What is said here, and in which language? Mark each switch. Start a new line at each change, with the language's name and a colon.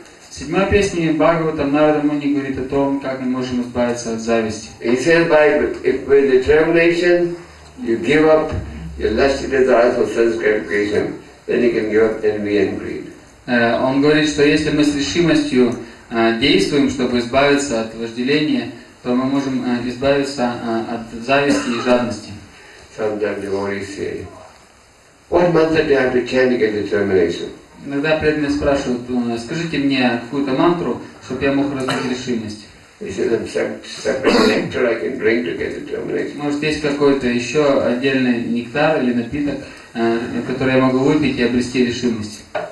Russian: Седьмая песня Бхагаватам Нарада Муни говорит о том, как мы можем избавиться от зависти.
English: He says by if with determination you give up your lusty desires for sense gratification, then you can give up envy and greed.
Russian: Он говорит, что если мы с решимостью действуем, чтобы избавиться от вожделения, то мы можем избавиться от зависти и жадности.
English: Sometimes devotees say, what mantra do you have to chant to get determination?
Russian: Иногда преданные спрашивают, скажите мне какую-то мантру, чтобы я мог развить решимость.
English: Is there some separate nectar I can drink to get determination?
Russian: Может, есть какой-то еще отдельный нектар или напиток, который я могу выпить и обрести решимость?